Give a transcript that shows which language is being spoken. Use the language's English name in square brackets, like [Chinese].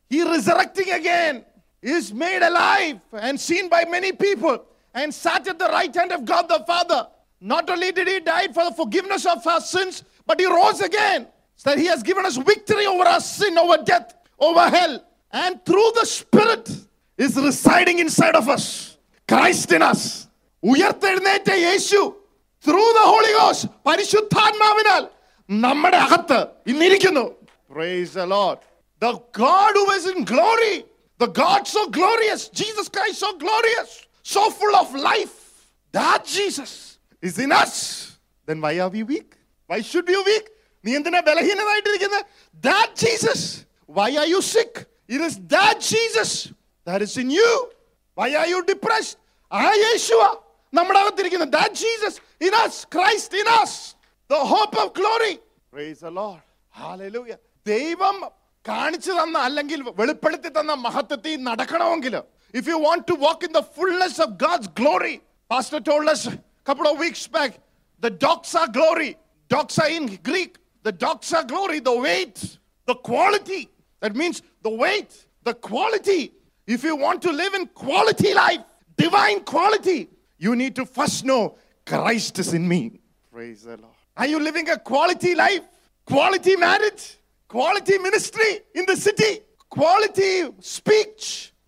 [English] He resurrecting again. He is made alive and seen by many people. And sat at the right hand of God the Father. Not only did he die for the forgiveness of our sins, but he rose again. So that he has given us victory over our sin, over death, over hell. And through the Spirit is residing inside of us. Christ in us. [Malayalam] ഉയർത്തെഴുന്നേറ്റ യേശു [English] through the Holy Ghost, [Malayalam] പരിശുദ്ധാത്മാവിനാൽ നമ്മുടെ അകത്ത് ഇന്നിരിക്കുന്നു. [English] Praise the Lord. The God who is in glory, the God so glorious, Jesus Christ so glorious, so full of life, that Jesus is in us. Then why are we weak? Why should you be weak? [Malayalam] നീ എന്തിനാ ബലഹീനനായിട്ടിരിക്കുന്നത്? [English] That Jesus. Why are you sick? It is that Jesus that is in you. Why are you depressed? [Malayalam] ആ യേശുവ നമ്മുടെ അകത്തിരിക്കുന്നു. [English] That Jesus in us, Christ in us, the hope of glory. Praise the Lord. Hallelujah. [Malayalam] ദൈവം കാണിച്ചു തന്ന അല്ലെങ്കിൽ വെളിപ്പെടുത്തി തന്ന മഹത്വത്തിൽ നടക്കണമെങ്കിൽ, [English] if you want to walk in the fullness of God's glory, pastor told us a couple of weeks back, the doxa glory, doxa in Greek, the doxa glory, the weight, the quality, that means the weight, the quality. If you want to live in quality life, divine quality, you need to first know Christ is in me. Praise the Lord. Are you living a quality life, quality marriage, quality ministry in the city, quality speech?